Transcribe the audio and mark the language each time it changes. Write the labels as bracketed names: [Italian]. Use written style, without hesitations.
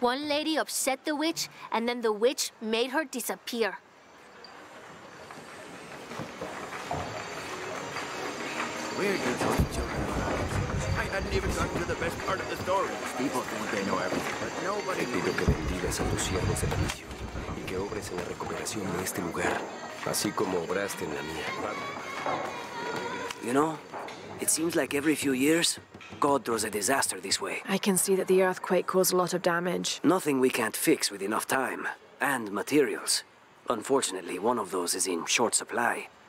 [English] One lady upset the witch, and then the witch made her disappear. Where did those children arrive? I hadn't even gotten to the best part of the story. People think they know everything, but nobody knows. [Spanish] Te pido que bendigas a los siervos del vicio y que obres en la recuperación de este lugar, así como obraste en la mía. [English] You know, it seems like every few years, God throws a disaster this way. I can see that the earthquake caused a lot of damage. Nothing we can't fix with enough time and materials. Unfortunately, one of those is in short supply.